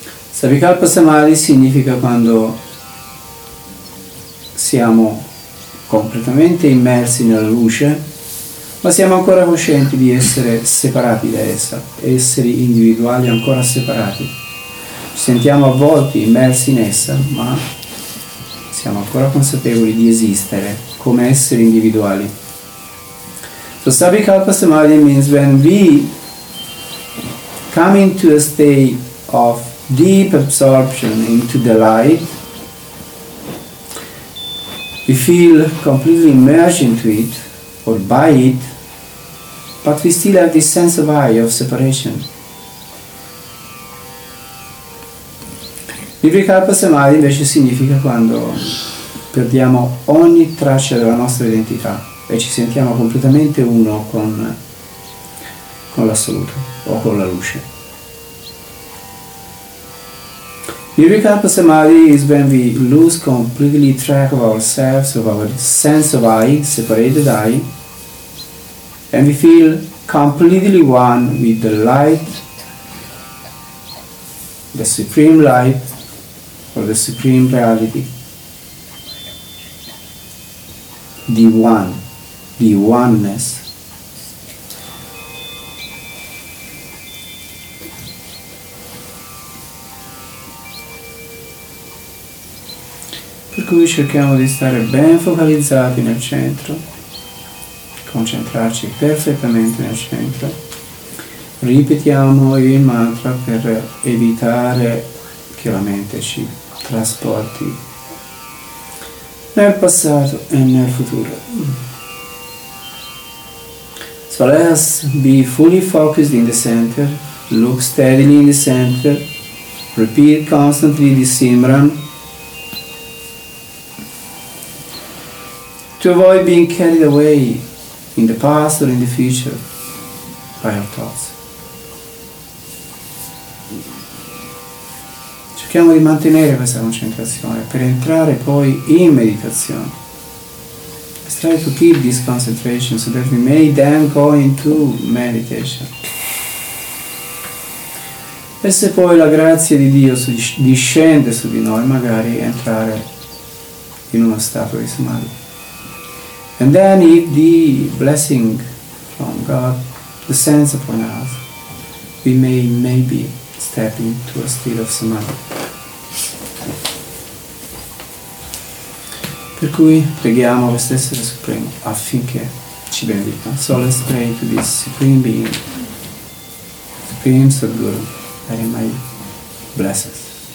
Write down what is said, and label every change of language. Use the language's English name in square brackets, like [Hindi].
[Italian] Savikalpa Samadhi significa quando siamo completamente immersi nella luce, ma siamo ancora coscienti di essere separati da essa, esseri individuali ancora separati. Ci sentiamo avvolti, immersi in essa, ma siamo ancora consapevoli di esistere come esseri individuali. [English] So Savikalpa Samadhi means when we come into a state of deep absorption into the light, we feel completely immersed into it or by it, but we still have this sense of I, of separation. [Italian] Nirvikalpa Samadhi invece significa quando perdiamo ogni traccia della nostra identità e ci sentiamo completamente uno con l'assoluto o con la luce. [English] Nirvikalpa Samadhi is when we lose completely track of ourselves, of our sense of I, separated I, and we feel completely one with the light, the supreme light, or the supreme reality. The one, the oneness. [Italian] Per cui cerchiamo di stare ben focalizzati nel centro, concentrarci perfettamente nel centro. Ripetiamo il mantra per evitare che la mente ci trasporti nel passato e nel futuro. [English] So let us be fully focused in the center, look steadily in the center, repeat constantly the Simran, to avoid being carried away in the past or in the future by our thoughts. [Italian] Cerchiamo di mantenere questa concentrazione per entrare poi in meditazione. [English] Let's try to keep this concentration so that we may then go into meditation. [Italian] E se poi la grazia di Dio discende su di noi, magari entrare in uno stato di samadhi. [English] And then if the blessing from God descends upon us, we may maybe step into a state of samadhi. [Italian] Per cui preghiamo questo essere supremo affinché ci benedica. [English] So let's pray to this supreme being, supreme Sadhguru, that he may bless us.